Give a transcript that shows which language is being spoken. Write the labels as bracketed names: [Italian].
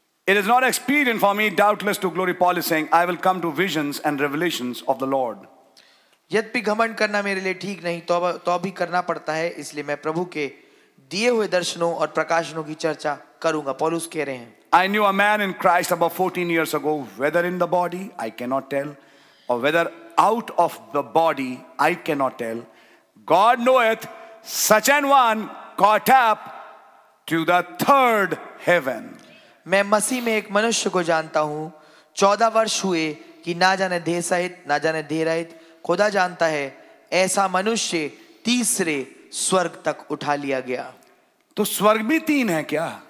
[English] It is not expedient for me, doubtless, to glory. Paul is saying, I will come to visions and revelations of the Lord. [Hindi] यद्यपि घमंड करना मेरे लिए ठीक नहीं, तो भी करना पड़ता है, इसलिए मैं प्रभु के दिए हुए दर्शनों और प्रकाशनों की चर्चा करूंगा. पौलुस कह रहे हैं. [English] I knew a man in Christ about 14 years ago, whether in the body, I cannot tell. Or whether out of the body, I cannot tell. God knoweth such an one caught up to the third heaven. [Hindi] मैं मसीह में एक मनुष्य को जानता हूँ, 14 वर्ष हुए कि ना जाने देह सहित, ना जाने देह रहित, खुदा जानता है, ऐसा मनुष्य तीसरे स्वर्ग तक उठा लिया गया. तो स्वर्ग भी तीन है क्या?